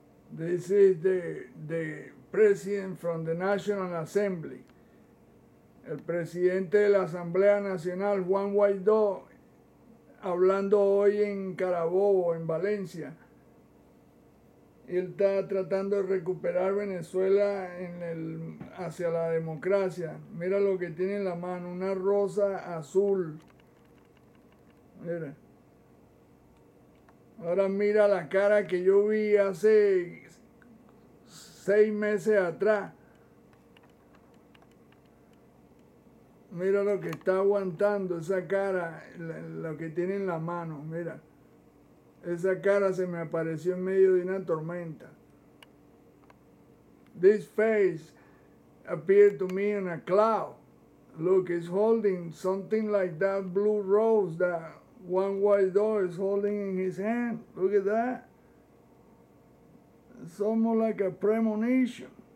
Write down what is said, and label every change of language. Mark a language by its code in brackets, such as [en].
[en] This is the president from the National Assembly. [es] El presidente de la Asamblea Nacional, Juan Guaidó, hablando hoy en Carabobo, en Valencia. Él está tratando de recuperar Venezuela hacia la democracia. Mira lo que tiene en la mano, una rosa azul. Mira. Ahora mira la cara que yo vi hace 6 meses atrás. Mira lo que está aguantando esa cara, lo que tiene en la mano, mira. Esa cara se me apareció en medio de una tormenta. [en] This face appeared to me in a cloud. Look, it's holding something like that blue rose that Juan Guaidó is holding in his hand. Look at that. It's almost like a premonition.